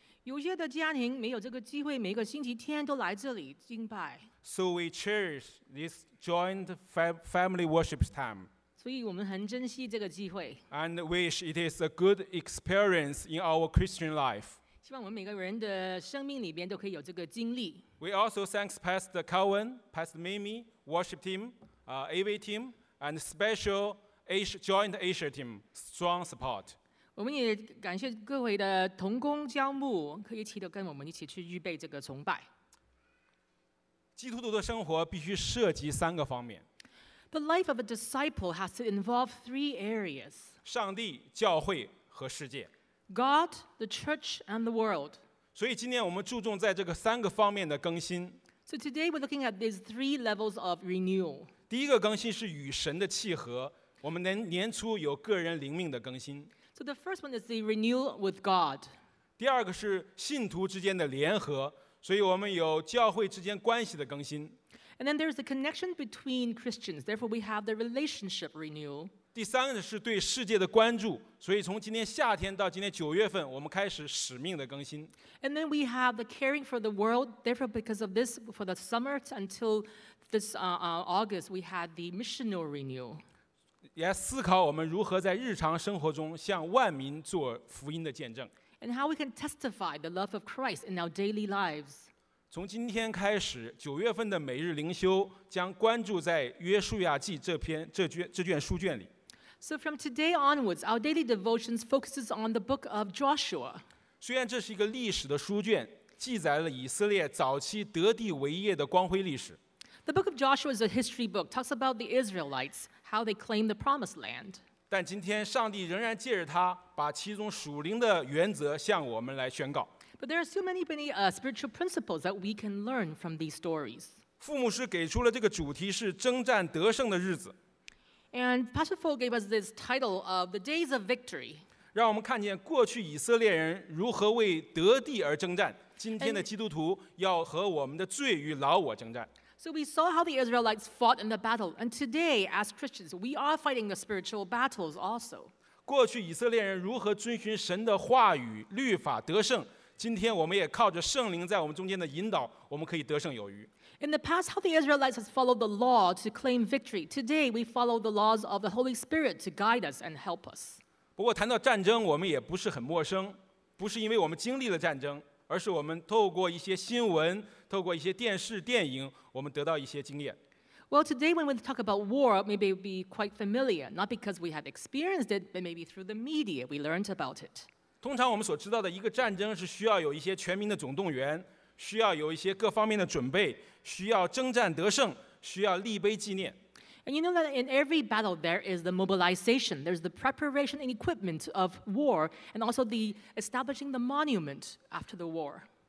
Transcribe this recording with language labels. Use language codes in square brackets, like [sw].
[zh] 有些的家庭没有这个机会，每个星期天都来这里敬拜。 [en] So we cherish this joint family worship time. [zh] 所以我们很珍惜这个机会。 [en] And wish it is a good experience in our Christian life. [zh] 希望我们每个人的生命里边都可以有这个经历。 [en] We also thanks Pastor Calvin, Pastor Mimi, Worship Team, AV Team, and Special Asia, Joint Asia Team strong support. [zh] 我们也感谢各位的同工教牧，可以一起的跟我们一起去预备这个崇拜。基督徒的生活必须涉及三个方面。 [en] The life of a disciple has to involve three areas. [zh] 上帝、教会和世界。 [en] God, the church, and the world. [zh] 所以今天我们注重在这个三个方面的更新。 [en] So today we're looking at these three levels of renewal. [zh] 第一个更新是与神的契合，我们年初有个人灵命的更新。 [en] So the first one is the renewal with God. [zh] 第二个是信徒之间的联合，所以我们有教会之间关系的更新。 [en] And then there's the connection between Christians, therefore we have the relationship renewal. [zh] 第三个是对世界的关注，所以从今年夏天到今年九月份，我们开始使命的更新。 [en] And then we have the caring for the world. Therefore, because of this, for the summer until this August, we had the missional renewal. [zh] 也思考我们如何在日常生活中向万民做福音的见证。 [en] And how we can testify the love of Christ in our daily lives. [zh] 从今天开始，九月份的每日灵修将关注在约书亚记这卷书卷里。 [en] So from today onwards, our daily devotions focuses on the book of Joshua. [zh] 虽然这是一个历史的书卷，记载了以色列早期得地为业的光辉历史。 [en] The book of Joshua is a history book, talks about the Israelites, how they claimed the promised land. [zh] 但今天上帝仍然借着它，把其中属灵的原则向我们来宣告。 [en] But there are so many spiritual principles that we can learn from these stories. [zh] 副牧师给出了这个主题是征战得胜的日子。 [en] And Pastor Fo gave us this title of the Days of Victory. [zh] 让我们看见过去以色列人如何为得地而征战，今天的基督徒要和我们的罪与老我征战。 [en] So we saw how the Israelites fought in the battle, and today, as Christians, we are fighting the spiritual battles also. [zh] 过去以色列人如何遵循神的话语、律法得胜，今天我们也靠着圣灵在我们中间的引导，我们可以得胜有余。 [en] In the past, how the Israelites has followed the law to claim victory. Today, we follow the laws of the Holy Spirit to guide us and help us. [zh] 不过谈到战争，我们也不是很陌生，不是因为我们经历了战争，而是我们透过一些新闻，透过一些电视、电影，我们得到一些经验。 [en] Well, today when we talk about war, maybe it would be quite familiar, not because we have experienced it, but maybe through the media we learned about it. [zh] 通常我们所知道的一个战争是需要有一些全民的总动员，需要有一些各方面的准备，需要征战得胜，需要立碑纪念。 [en] And you know that in every battle there is the mobilization, there's the preparation and equipment of war, and also the establishing the monument after the war.